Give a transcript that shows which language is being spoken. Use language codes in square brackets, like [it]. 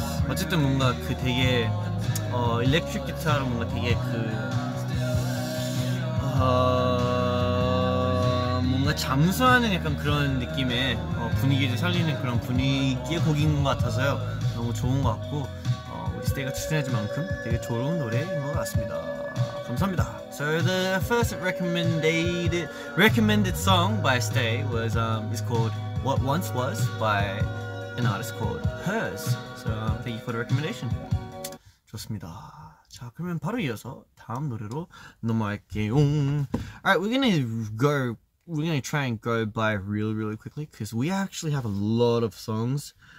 [ko] 어쨌든 뭔가 그 되게, 일렉트릭 기타로 뭔가 되게 뭔가 뭔가 잠수하는 약간 그런 느낌의 분위기를 살리는 그런 분위기의 곡인 것 같아서요. 너무 좋은 것 같고 우리 스테이가 추천해준 만큼 되게 좋은 노래인 것 같습니다. 감사합니다. [en] So the first recommended song by Stay was is called What Once Was by an artist called Hers. So thank you for the recommendation. [ko] 좋습니다. 자 그러면 바로 이어서 다음 노래로 넘어갈게요. [en] Alright, we're gonna try and go by really really quickly because we actually have a lot of songs.